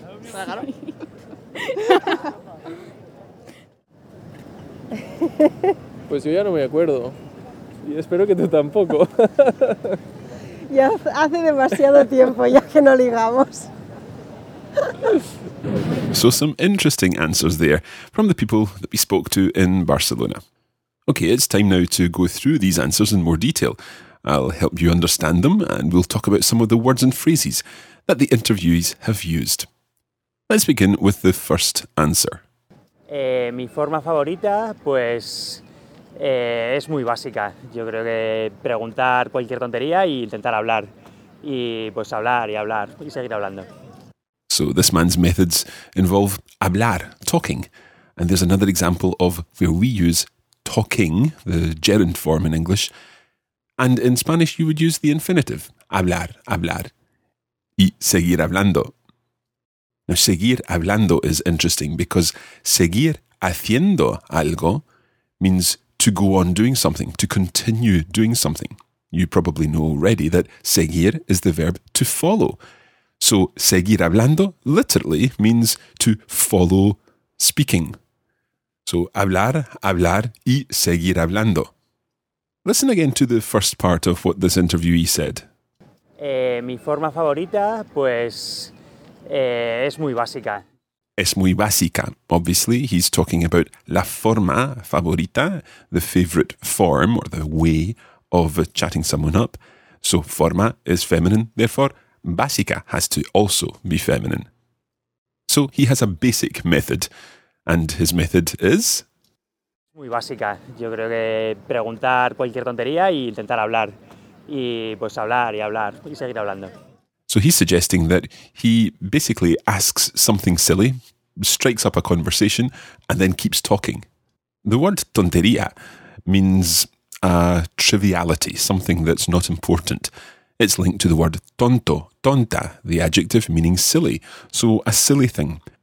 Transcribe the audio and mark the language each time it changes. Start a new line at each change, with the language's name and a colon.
Spanish: ¿Se agarró? Pues yo ya no me acuerdo. Y espero que tú tampoco. Ya hace demasiado tiempo ya que no ligamos.
English: So some interesting answers there from the people that we spoke to in Barcelona. Okay, it's time now to go through these answers in more detail. I'll help you understand them and we'll talk about some of the words and phrases that the interviewees have used. Let's begin with the first answer.
Spanish: Mi forma favorita, pues, es muy básica. Yo creo que preguntar cualquier tontería e intentar hablar. Y pues hablar y hablar y seguir hablando.
English: So this man's methods involve hablar, talking. And there's another example of where we use talking, the gerund form in English. And in Spanish, you would use the infinitive,
Spanish: hablar, hablar, y seguir hablando.
English: Now,
Spanish: seguir hablando
English: is interesting because
Spanish: seguir haciendo algo
English: means to go on doing something, to continue doing something. You probably know already that seguir is the verb to follow. So,
Spanish: seguir hablando
English: literally means to follow speaking.
Spanish: So, hablar, hablar y seguir hablando.
English: Listen again to the first part of what this interviewee said.
Spanish: Mi forma favorita, pues, es muy básica. Es muy básica.
English: Obviously, he's talking about
Spanish: la forma favorita,
English: the favorite form or the way of chatting someone up. So, forma is feminine, therefore, básica has to also be feminine. So he has a basic method, and his method is?
Spanish: Muy básica. Yo creo que preguntar cualquier tontería e intentar hablar. Y pues hablar y hablar y seguir hablando.
English: So he's suggesting that he basically asks something silly, strikes up a conversation, and then keeps talking. The word tontería means a triviality, something that's not important. It's linked to the word tonto, tonta, the adjective meaning silly, so a silly thing.